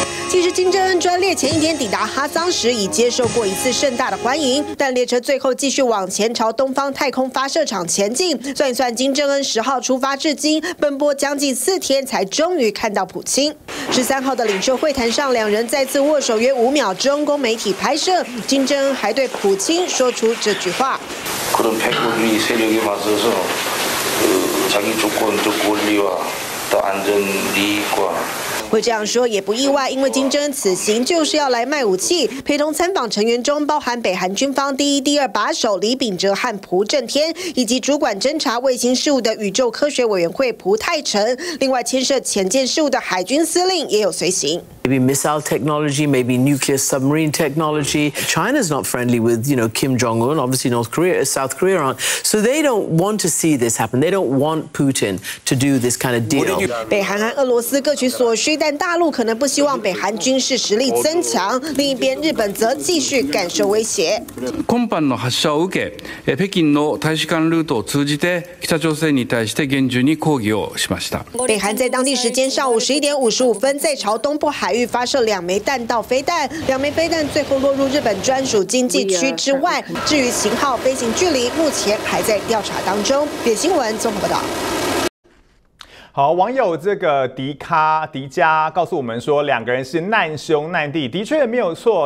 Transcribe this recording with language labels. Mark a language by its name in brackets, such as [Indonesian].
[Chinese] 其实金正恩专列前一天抵达哈桑时已接受过一次盛大的欢迎，但列车最后继续往前朝东方太空发射场前进。算一算，金正恩10号出发至今奔波将近4天，才终于看到普京。 13号的领袖会谈上，两人再次握手约5秒，供媒体拍摄。金正恩还对普京说出这句话： [Korean] 그런패권주의세력에맞서서자기주권적권리와또안전이익과 [Chinese] 会这样说也不意外，因为金正恩此行就是要来卖武器。陪同参访成员中包含北韩军方第一、第二把手李秉哲和朴正天，以及主管侦察卫星事务的宇宙科学委员会朴泰成。另外，牵涉潜舰事务的海军司令也有随行。 [English] Maybe missile technology, maybe nuclear submarine technology. China's not friendly with, you know, Kim Jong Un. Obviously, North Korea, South Korea aren't. So they don't want to see this happen. They don't want Putin to do this kind of deal. [Chinese] 北韩和俄罗斯各取所需，但大陆可能不希望北韩军事实力增强。另一边，日本则继续感受威胁。 [Japanese] 今般の発射を受け、北京の大使館ルートを通じて北朝鮮に対して厳重に抗議をしました。 [Chinese] 北韩在当地时间上午11:55在朝东部海域发射2枚弹道飞弹，两枚飞弹最后落入日本专属经济区之外。至于型号、飞行距离，目前还在调查当中。点新闻综合报道。好，网友这个迪迦告诉我们说，两个人是难兄难弟，的确没有错。